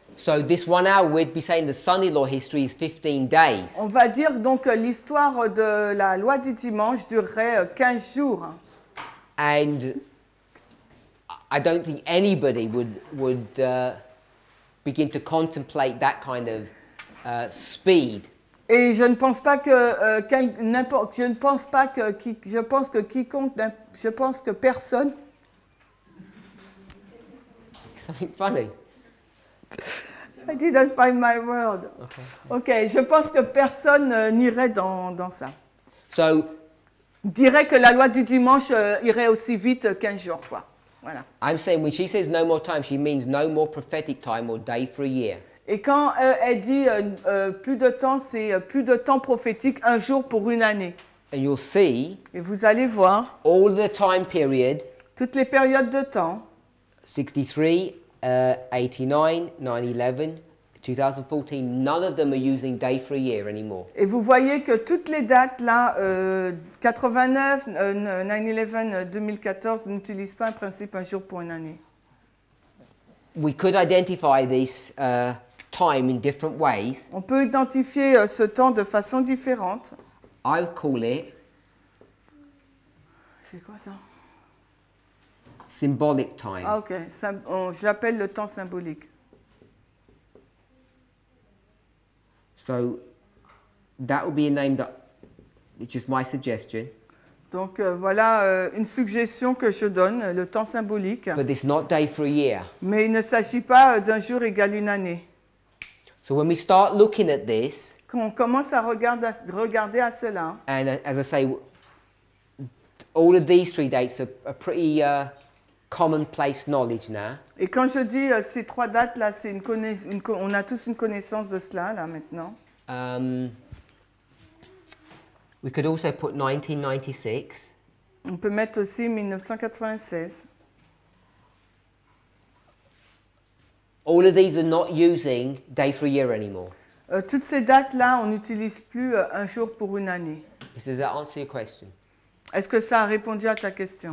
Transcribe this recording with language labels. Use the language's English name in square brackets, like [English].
[English] So this 1 hour we'd be saying the son-in-law history is 15 days. [French] On va dire donc l'histoire de la loi du dimanche durerait 15 jours. [English] And I don't think anybody would begin to contemplate that kind of speed. [French] Et je ne pense pas que je pense que personne. [English] Something funny. I didn't find my word. Okay. [French] Okay, je pense que personne n'irait dans ça. [English] So, [French] dirait que la loi du dimanche irait aussi vite 15 jours quoi. Voilà. [English] I'm saying when she says no more time, she means no more prophetic time or day for a year. [French] Et quand elle dit plus de temps, c'est plus de temps prophétique, un jour pour une année. [English] And you'll see. [French] Et vous allez voir. [English] All the time period. [French] Toutes les périodes de temps. [English] 63, 89, 9/11, 2014. None of them are using day for a year anymore. [French] Et vous voyez que toutes les dates là, 89, 9/11, 2014, n'utilisent pas un principe un jour pour une année. [English] We could identify this. Time in different ways. [French] On peut identifier ce temps de façon différente. [English] I would call it. [French] C'est quoi ça? [English] Symbolic time. [French] Ah, okay. Je l'appelle le temps symbolique. [English] So that would be a name that, which is my suggestion. [French] Donc voilà une suggestion que je donne, le temps symbolique. [English] But it's not day for a year. [French] Mais il ne s'agit pas d'un jour égal une année. [English] So when we start looking at this, [French] quand on commence à regarder à cela, [English] and as I say, all of these three dates are pretty commonplace knowledge now. [French] Et quand je dis ces trois dates là, c'est on a tous une connaissance de cela là maintenant. [English] We could also put 1996. [French] On peut mettre aussi 1996. [English] All of these are not using day for a year anymore. [French] Toutes ces dates là, on n'utilise plus un jour pour une année. [English] Does that answer your question? [French] Est-ce que ça a répondu à ta question?